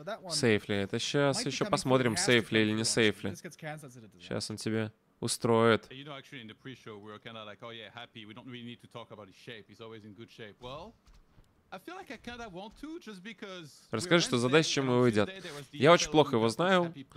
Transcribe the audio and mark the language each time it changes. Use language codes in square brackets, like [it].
[ru] Сейфли, это сейчас еще посмотрим, сейфли или не сейфли. Сейчас он тебе... устроит. [en] You know, actually, in the pre-show, we were kind of like, oh yeah, happy. We don't really need to talk about his shape. He's always in good shape. Well, I feel like I kind of want to, just because. [ru] Расскажи, что за дай, с чем его едят. Я очень плохо его знаю.